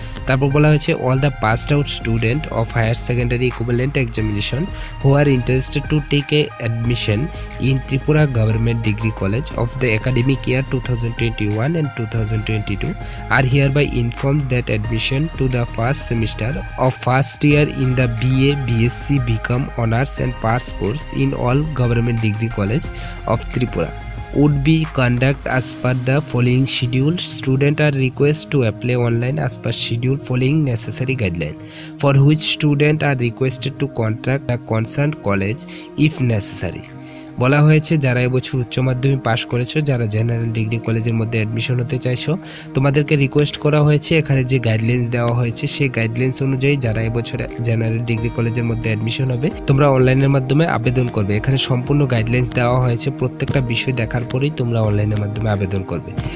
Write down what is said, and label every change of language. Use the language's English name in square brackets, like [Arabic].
[Bangla] তারপর বলা হয়েছে, [English] All the pass out student of higher secondary equivalent examination who are interested to take a admission in Tripura government degree college of the academic year 2021 and 2022 are hereby inform that admission to the first semester of first year in the BA BSc BCom honours and pass course in all government degree college of Tripura would be conduct as per the following schedule. Student are request to apply online as per schedule following necessary guideline, for which student are requested to contact the concerned college if necessary. [Bangla] বলা হয়েছে, যারা এবছর উচ্চ মাধ্যমিক পাশ করেছো, যারা general degree কলেজের মধ্যে অ্যাডমিশন হতে চাইছো, তোমাদেরকে রিকোয়েস্ট করা হয়েছে, এখানে যে গাইডলাইন্স দেওয়া হয়েছে সেই গাইডলাইন্স অনুযায়ী যারা এবছর জেনারেল ডিগ্রি কলেজের মধ্যে অ্যাডমিশন হবে, তোমরা অনলাইনের মাধ্যমে আবেদন করবে। এখানে সম্পূর্ণ গাইডলাইন্স দেওয়া হয়েছে, প্রত্যেকটা বিষয় দেখার পরেই তোমরা অনলাইনের মাধ্যমে আবেদন করবে।